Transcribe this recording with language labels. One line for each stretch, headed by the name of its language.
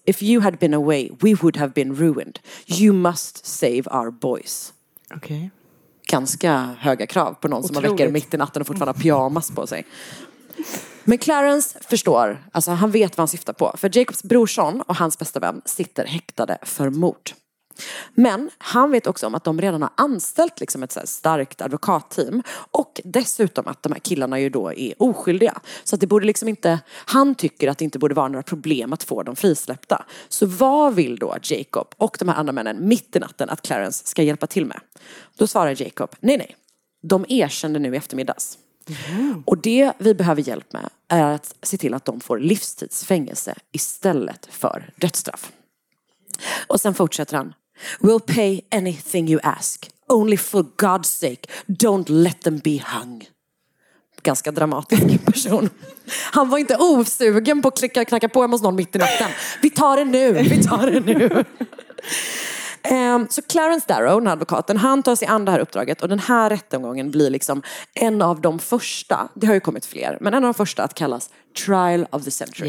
English: If you had been away, we would have been ruined. You must save our boys." Okay.
Swedish: Ganska höga krav på någon. Otroligt. Som man väcker mitt i natten och fortfarande har pyjamas på sig. Men Clarence förstår, alltså han vet vad han syftar på. För Jacobs brorson och hans bästa vän sitter häktade för mord. Men han vet också om att de redan har anställt liksom ett så här starkt advokatteam. Och dessutom att de här killarna ju då är oskyldiga. Så att det borde liksom inte, han tycker att det inte borde vara några problem att få dem frisläppta. Så vad vill då Jacob och de här andra männen mitt i natten att Clarence ska hjälpa till med? Då svarar Jacob, nej nej, de erkände nu i eftermiddags. Mm. Och det vi behöver hjälp med är att se till att de får livstidsfängelse istället för dödsstraff. Och sen fortsätter han.
English: We'll pay anything you ask. Only for God's sake, don't let them be hung.
Swedish: Ganska dramatisk person. Han var inte osugen på att klicka och knacka på hos någon mitt i natten. Vi tar det nu. Så Clarence Darrow, den advokaten, han tar sig an det här uppdraget och den här rättegången blir liksom en av de första, det har ju kommit fler, men en av de första att kallas Trial of the Century.